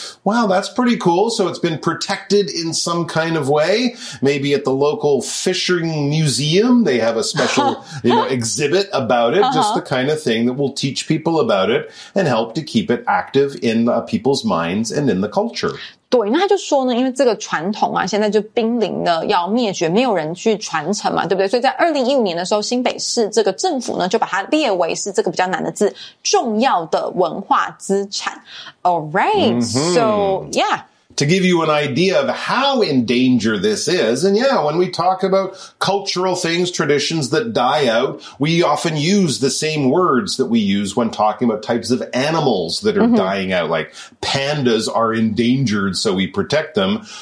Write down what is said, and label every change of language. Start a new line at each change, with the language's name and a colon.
English: Wow, that's pretty cool. So it's been protected in some kind of way. Maybe at the local fishing museum, they have a special exhibit about it. Uh-huh. Just the kind of thing that will teach people about it and help to keep it active in people's minds and in the culture.
Chinese: 对，那他就说呢，因为这个传统啊，现在就濒临的要灭绝，没有人去传承嘛，对不对？所以在2015年的时候，新北市这个政府呢，就把它列为是这个比较难的字，重要的文化资产。
English: All right,、mm-hmm. so yeah. To give you an idea of how in danger this is, and yeah, when we talk about cultural things, traditions that die out, we often use the same words that we use when talking about types of animals that are、mm-hmm. dying out, like pandas are endangered, so we protect them.